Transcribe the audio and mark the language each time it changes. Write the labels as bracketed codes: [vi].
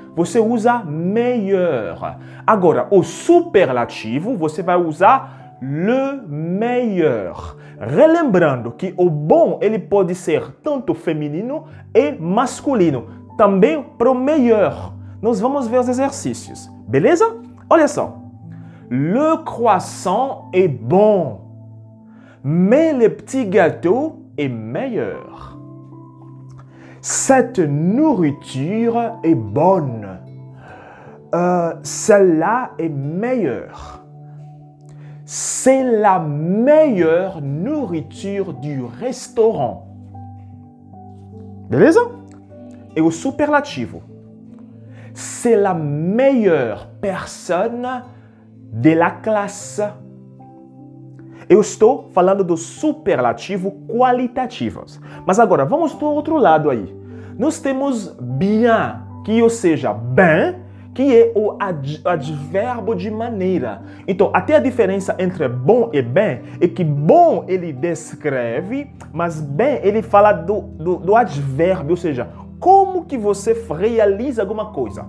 [pt] Você usa meilleur. Agora, o superlativo, você vai usar le meilleur. Relembrando que o bom, ele pode ser tanto feminino e masculino. Também para o meilleur. Nós vamos ver os exercícios, beleza? Olha só. [fr] Le croissant est bon, mais le petit gâteau est meilleur. Cette nourriture est bonne. Celle-là est meilleure. C'est la meilleure nourriture du restaurant. [pt] Beleza? [fr] Et au superlatif. C'est la meilleure personne de la classe. [pt] Eu estou falando do superlativo qualitativo. Mas agora, vamos do outro lado aí. Nós temos bien, que ou seja, bem, que é o advérbio de maneira. Então, até a diferença entre bom e bem é que bom ele descreve, mas bem ele fala do advérbio, ou seja, como que você realiza alguma coisa?